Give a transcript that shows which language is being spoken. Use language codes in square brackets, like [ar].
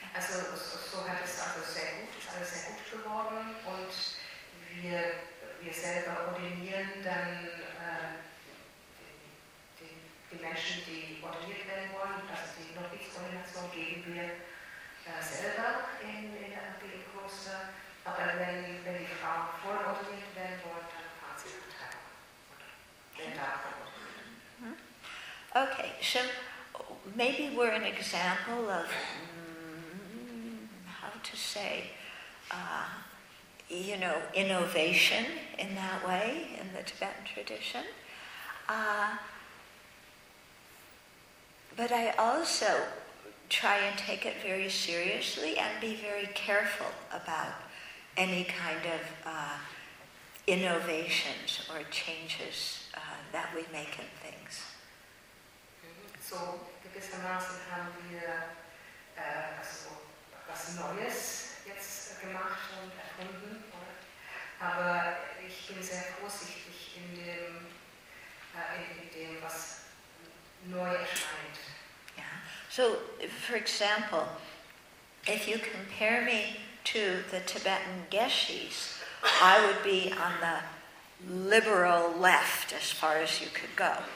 [de] Also, so hat es also sehr gut geworden, und wir selber ordinieren dann die Menschen, die ordiniert werden wollen, dass die Notwitz-Ordination geben wir selber in der Abbey-Kloster. Aber wenn die Frauen voll ordiniert werden wollen, dann fahren sie nach Taiwan. [en] Okay, so maybe we're an example of how to say you know, innovation in that way in the Tibetan tradition. But I also try and take it very seriously and be very careful about any kind of innovations or changes that we make in things. [de] So, gewissermaßen haben wir also was Neues jetzt gemacht und erfunden. Aber ich bin sehr vorsichtig in dem, was neu erscheint. [en] So, for example, if you compare me to the Tibetan Geshe's, I would be on the liberal left as far as you could go.